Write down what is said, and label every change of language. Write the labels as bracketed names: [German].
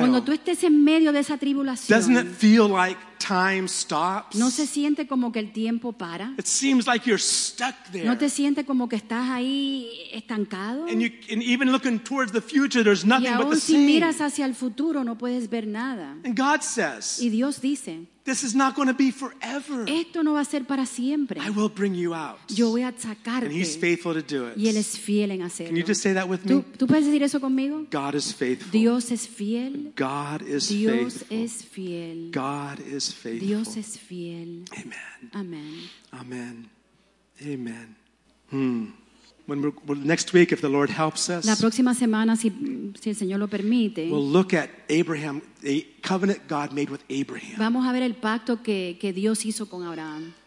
[Spanish] cuando tú estés en medio de esa tribulación, [English] doesn't it feel like time stops? [Spanish] No se siente como que el tiempo para. [English] It seems like you're stuck there. [Spanish] No te siente como que estás ahí estancado. [English] And, you, and even looking towards the future, there's nothing [Spanish] y aún [English] but the [Spanish] si [English] same. [Spanish] Miras hacia el futuro, no puedes ver nada. [English] And God says, [Spanish] y Dios dice, [English] this is not going to be forever. [Spanish] Esto no va a ser para siempre. [English] I will bring you out. [Spanish] Yo voy a sacarte. [English] And he's faithful to do it. [Spanish] Y él es fiel en hacerlo. [English] Can you just say that with [Spanish] ¿tú, [English] me? [Spanish] ¿Tú puedes decir eso conmigo? [English] God is faithful. [Spanish] Dios es fiel. [English] God is [Spanish] Dios [English] faithful. [Spanish] Dios es fiel. [English] God is faithful. [Spanish] Dios es fiel. [English] Amen. Amen. Amen. Amen. Hmm. When we're, next week, if the Lord helps us, [Spanish] la próxima semana, si, si el Señor lo permite, [English] we'll look at Abraham, the covenant God made with Abraham. [Spanish] Vamos a ver el pacto que Dios hizo con Abraham.